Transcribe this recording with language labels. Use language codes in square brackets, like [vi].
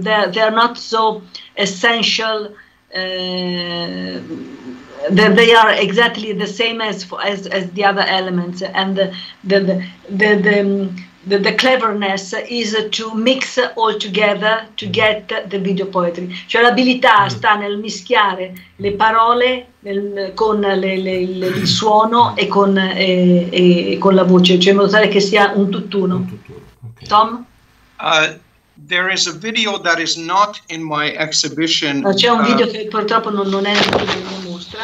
[en] They're not so essential. They are exactly the same as the other elements, and the cleverness is to mix all together to get the video poetry. [it] Cioè l'abilità sta nel mischiare le parole con il suono e con la voce, cioè in modo tale che sia un tutt'uno. [en] Okay. Tom? There is a video that is not in my exhibition. [it] C'è un video che purtroppo non è nella mostra.